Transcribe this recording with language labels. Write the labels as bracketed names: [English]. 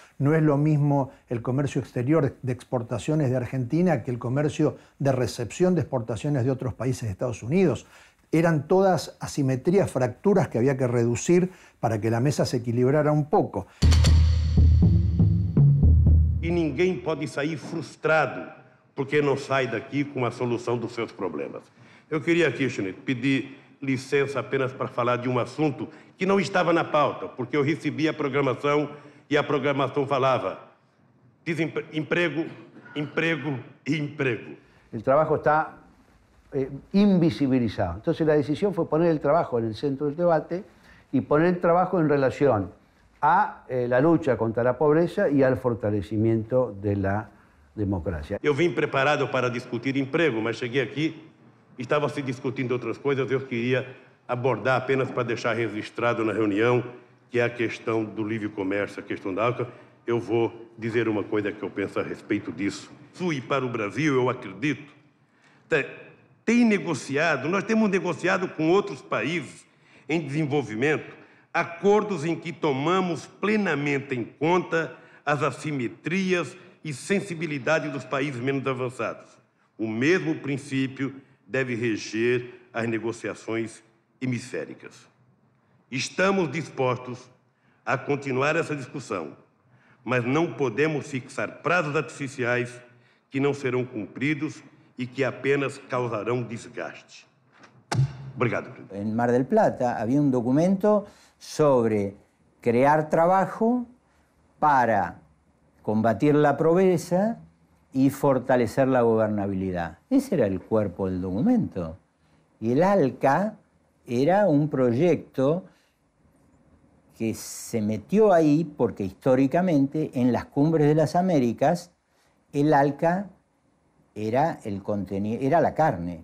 [Spanish] No es lo mismo el comercio exterior de exportaciones de Argentina que el comercio de recepción de exportaciones de otros países de Estados Unidos. Eran todas asimetrías, fracturas que había que reducir para que la mesa se equilibrara un poco. [Portuguese] Y ninguém pode sair frustrado porque não sai daqui com a solução dos seus problemas. Eu queria aqui, Schnitt, pedir licença apenas para falar de um assunto que não estava na pauta, porque eu recebi a programação e a programação falava emprego, emprego e emprego. O trabalho está invisibilizado. Então, a decisão foi poner o trabalho no centro do debate e poner o trabalho em relação a [Spanish] la lucha contra la pobreza y al fortalecimiento de la democracia. Yo vine preparado para discutir empleo, pero llegué aquí y estaba se discutiendo otras cosas. Yo quería abordar apenas para dejar registrado en la reunión que es la cuestión del libre comercio, la cuestión de ALCA. Yo voy a decir una cosa que yo pienso a respecto de eso. Fui para el Brasil, yo acredito. [Portuguese] Tem negociado, nós temos negociado com outros países em desenvolvimento acordos em que tomamos plenamente em conta as assimetrias e sensibilidade dos países menos avançados. O mesmo princípio deve reger as negociações hemisféricas. Estamos dispostos a continuar essa discussão, mas não podemos fixar prazos artificiais que não serão cumpridos e que apenas causarão desgaste. Obrigado. Em Mar del Plata, havia um documento sobre [Spanish] crear trabajo para combatir la pobreza y fortalecer la gobernabilidad. Ese era el cuerpo del documento. Y el ALCA era un proyecto que se metió ahí porque históricamente en las cumbres de las Américas el ALCA era el contenido, era la carne.